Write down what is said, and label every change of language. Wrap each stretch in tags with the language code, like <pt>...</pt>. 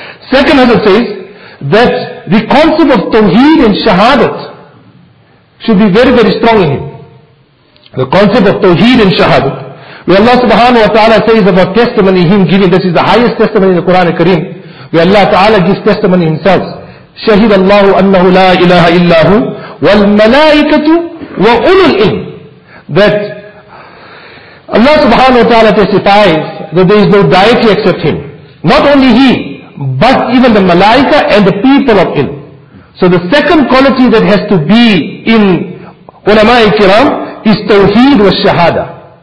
<en>Second, Hazrat says, that the concept of tawheed and shahadat should be very, very strong in him. The concept of tawheed and shahadat, where Allah subhanahu wa ta'ala says about testimony him giving, this is the highest testimony in the Quran al-Kareem, where Allah ta'ala gives testimony himself.</en> <ar>شهد الله أنه لا إله إلا هو والملائكة وأولو العلم.</ar> <en>That Allah subhanahu wa ta'ala testifies that there is no deity except him. Not only he, But even the malaika and the people of ilm. So the second quality that has to be in ulama-i kiram is tawheed wa shahada.</en>